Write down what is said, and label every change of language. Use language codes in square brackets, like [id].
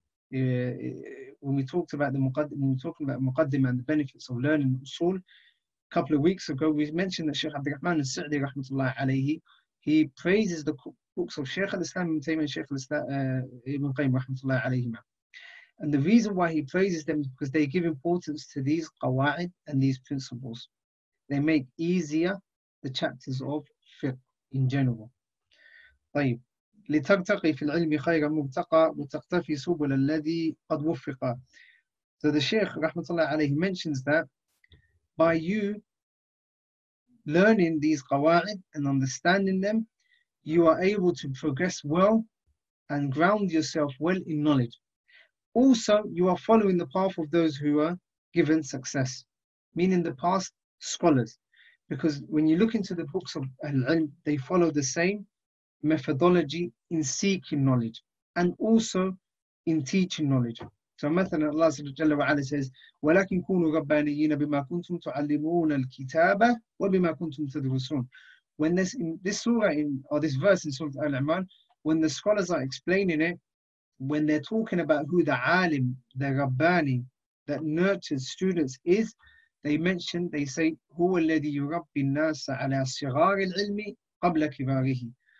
[en] When we talked about muqaddimah and the benefits of learning usul, a couple of weeks ago we mentioned that Shaykh Abd al-Rahman al-Sa'di rahmatullah alayhi, he praises the books of Shaykh al-Islam ibn Taymiyyah and Shaykh al-Islam ibn Qayyim rahmatullah alayhima. And the reason why he praises them is because they give importance to these qawa'id and these principles. They make easier the chapters of fiqh in general. [ar] طيب لترتقي في العلم خير مبتقى وتقتفي سبل الذي قد وفق. [en] So the Sheikh rahmatullah alayhi mentions that by you learning these qawa'id and understanding them, you are able to progress well and ground yourself well in knowledge. Also, you are following the path of those who are given success, meaning the past scholars. Because when you look into the books of Al-Ilm, they follow the same methodology in seeking knowledge and also in teaching knowledge. So, Allah subhanahu wa ta'ala says, [ar] وَلَكِنْ كُونُوا رَبَّانِيِّينَ بِمَا كُنْتُمْ تُعَلِّمُونَ الْكِتَابَ وَبِمَا كُنْتُمْ تَدْرُسُونَ. [en] When this surah or this verse in Surah Al-Imran, when the scholars are explaining it, when they're talking about who the alim, the rabbani, that nurtures students is, they mention, they say, [ar] هُوَ الَّذِي يُرَبِّي النَّاسَ عَلَىٰ صِغَارِ الْعِلْمِ قَبْلَ كِبَارِهِ.